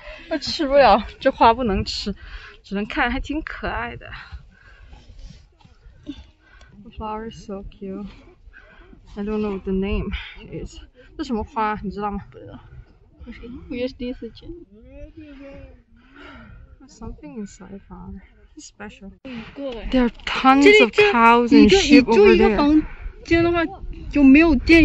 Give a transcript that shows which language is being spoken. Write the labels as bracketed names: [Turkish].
[Chinese] 我吃不了，这花不能吃，只能看，还挺可爱的。 [English] The flower is so cute. I don't know what the name is. [Chinese] 这什么花你知道吗？不知道，我也是第一次见。 [English] There's something inside the flower. It's special. [Chinese] 过来。 [English] There are tons of cows and sheep over there. [Chinese] 你住一个房间的话，有没有电？